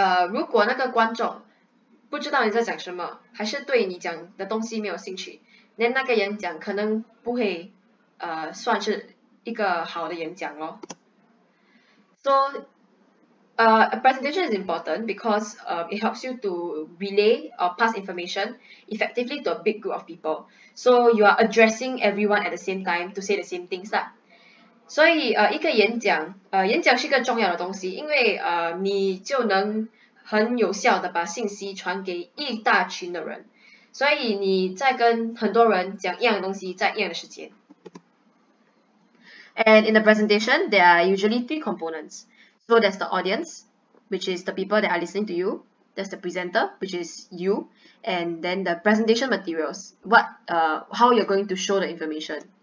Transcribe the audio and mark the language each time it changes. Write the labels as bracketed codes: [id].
[zh] 如果那个观众不知道你在讲什么，还是对你讲的东西没有兴趣，那个演讲可能不会算是 一个好的演讲咯。 [en] So, a presentation is important because it helps you to relay or pass information effectively to a big group of people. So you are addressing everyone at the same time to say the same things lah. [zh] 所以一个演讲是一个重要的东西，因为你就能很有效的把信息传给一大群的人。所以你在跟很多人讲一样的东西，在一样的时间。 [en] And in the presentation, there are usually three components. So there's the audience, which is the people that are listening to you. There's the presenter, which is you. And then the presentation materials, how you're going to show the information.